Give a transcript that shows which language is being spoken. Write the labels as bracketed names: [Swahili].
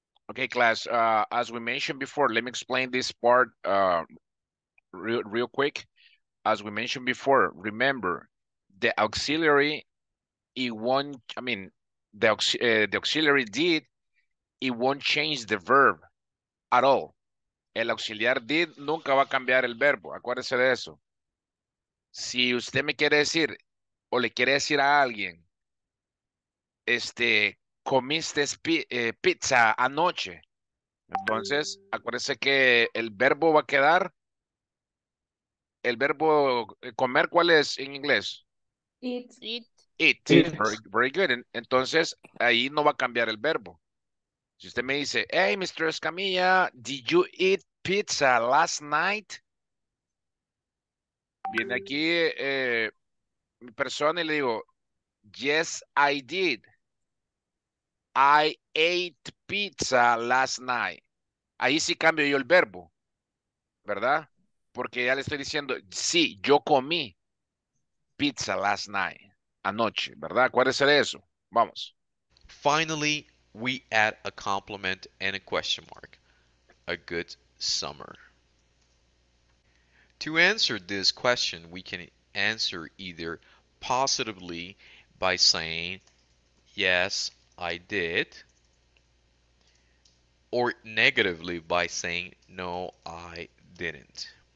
[English] Okay, class, as we mentioned before, let me explain this part real quick. As we mentioned before, remember the auxiliary, the auxiliary did, it won't change the verb at all. [Spanish] El auxiliar did nunca va a cambiar el verbo. Acuérdese de eso. Si usted me quiere decir o le quiere decir a alguien, comiste pizza anoche. Entonces, acuérdese que el verbo va a quedar. El verbo comer, ¿cuál es en inglés? [English] Eat. Very good. [Spanish] Entonces, ahí no va a cambiar el verbo. Si usted me dice, [English] hey, Mr. Escamilla, did you eat pizza last night? [Spanish] Viene aquí mi persona y le digo, [English] yes, I did. I ate pizza last night. [Spanish] Ahí sí cambio yo el verbo, ¿verdad? Porque ya le estoy diciendo, sí, yo comí pizza [English] last night, [Spanish] anoche, ¿verdad? Acuérdese de eso. Vamos. [English] Finally, we add a compliment and a question mark. A good summer. To answer this question, we can answer either positively by saying, yes, I did, or negatively by saying, no, I didn't.